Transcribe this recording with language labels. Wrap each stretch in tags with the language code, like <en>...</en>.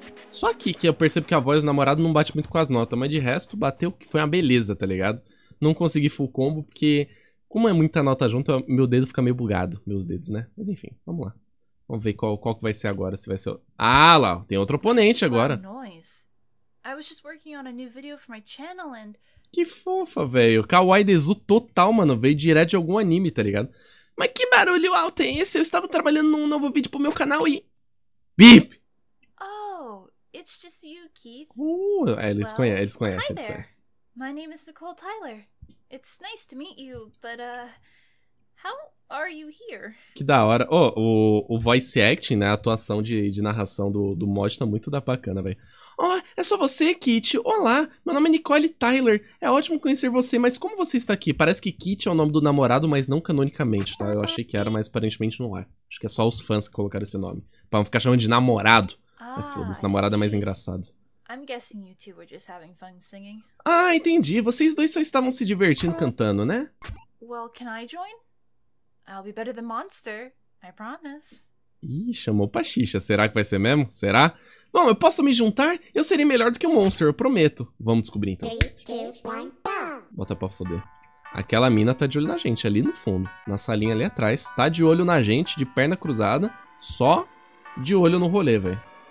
<pt>Só aqui que eu percebo que a voz do namorado não bate muito com as notas, mas de resto bateu, que foi uma beleza, tá ligado? Não consegui full combo, porque... Como é muita nota junto, meu dedo fica meio bugado. Meus dedos, né? Mas enfim, vamos lá. Vamos ver qual que vai ser agora. Se vai ser. Ah, lá, tem outro oponente agora.</pt> <en>I was just working on a new video for my channel and.</en> <pt>Que fofa, velho. Kawaii Desu total, mano. Veio direto de algum anime, tá ligado? Mas que barulho alto é esse? Eu estava trabalhando num novo vídeo pro meu canal e. Bip!</pt> <en>Oh, it's just you, Keith.</en> <pt>É,</pt> <en>Well,</en> <pt>eles conhecem,</pt> <en>hi</en> <pt>eles conhecem.</pt> <en>there. My name is Nicole Tyler. It's nice to meet you, but how are you here?</en> <pt>Que da hora. Oh, o voice acting, né? A atuação de narração do mod tá muito da bacana, velho. Oh, é só você, Kit. Olá, meu nome é Nicole Tyler. É ótimo conhecer você, mas como você está aqui? Parece que Kit é o nome do namorado, mas não canonicamente, tá? Eu achei que era, mas aparentemente não é. Acho que é só os fãs que colocaram esse nome. Pra não ficar chamando de namorado. É, foda-se, namorado é mais engraçado.</pt> <en>I'm guessing you two were just having fun singing.</en> <pt>Ah, entendi. Vocês dois só estavam se divertindo cantando, né?</pt> <en>Well, can I join? I'll be better than Monster, I promise.</en> <pt>Ih, chamou pra xixa. Será que vai ser mesmo? Será? Bom, eu posso me juntar? Eu serei melhor do que o Monster, eu prometo. Vamos descobrir então. 3, 2, 1, bota pra foder. Aquela mina tá de olho na gente, ali no fundo. Na salinha ali atrás. Tá de olho na gente, de perna cruzada. Só de olho no rolê, velho.</pt>